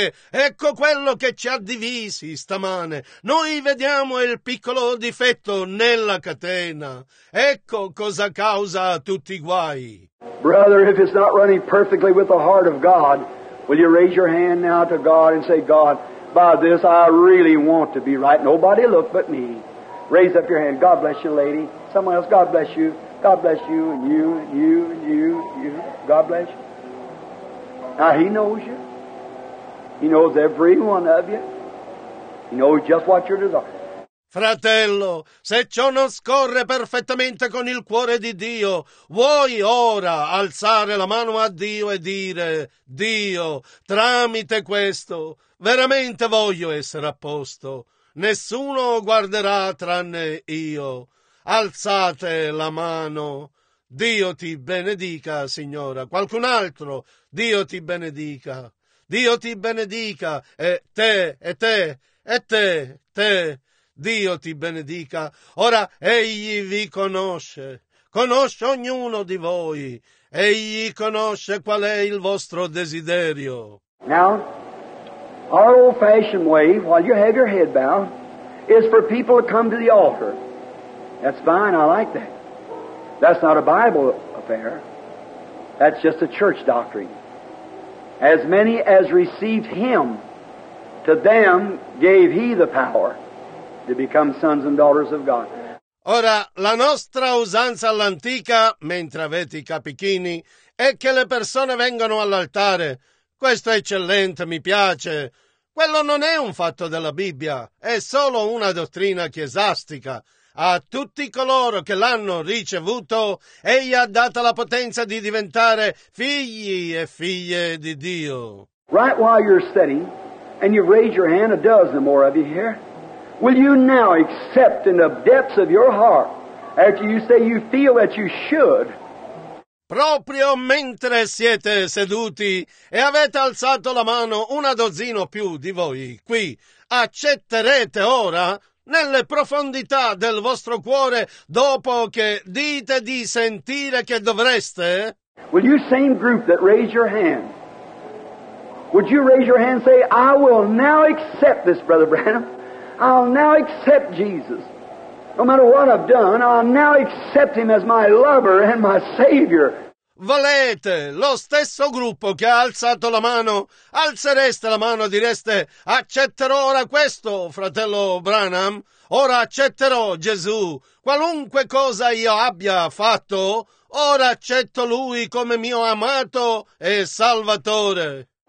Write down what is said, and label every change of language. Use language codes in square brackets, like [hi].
[it] Ecco quello che ci ha divisi stamane. Noi vediamo il piccolo difetto nella catena. Ecco cosa causa tutti i guai. [en] Brother, if it's not running perfectly with the heart of God, will you raise your hand now to God and say, God, by this I really want to be right. Nobody look but me. Raise up your hand. God bless you, lady. Someone else, God bless you. God bless you and you and you and you and you. God bless you. Now, He knows you. He knows every one of you. He knows just what your desire. [it] Fratello, se ciò non scorre perfettamente con il cuore di Dio, vuoi ora alzare la mano a Dio e dire, Dio, tramite questo, veramente voglio essere a posto. Nessuno guarderà tranne io. Alzate la mano. Dio ti benedica, signora. Qualcun altro? Dio ti benedica. Dio ti benedica. E te, e te, e te, te. Dio ti benedica. Ora Egli vi conosce. Conosce ognuno di voi. Egli conosce qual è il vostro desiderio. [en] Now, our old-fashioned way, while you have your head bowed, is for people to come to the altar. That's fine, I like that. That's not a Bible affair. That's just a church doctrine. As many as received Him, to them gave He the power to become sons and daughters of God. [it] Ora, la nostra usanza all'antica, mentre avete i capichini, è che le persone vengano all'altare. Questo è eccellente, mi piace. Quello non è un fatto della Bibbia, è solo una dottrina chiesastica. A tutti coloro che l'hanno ricevuto, Egli ha data la potenza di diventare figli e figlie di Dio. [en] Right while you're studying, and you've raised your hand, a dozen or more of you here, will you now accept in the depths of your heart, after you say you feel that you should? [it] Proprio mentre siete seduti e avete alzato la mano una dozzina o più di voi qui, accetterete ora? Nelle profondità del vostro cuore, dopo che dite di sentire che dovreste? [en] Will you, same group that raised your hand, would you raise your hand and say, I will now accept this, Brother Branham. I'll now accept Jesus. No matter what I've done, I'll now accept Him as my lover and my Savior. [it] Volete, lo stesso gruppo che ha alzato la mano, alzereste la mano e direste, accetterò ora questo, fratello Branham, ora accetterò Gesù, qualunque cosa io abbia fatto, ora accetto Lui come mio amato e Salvatore.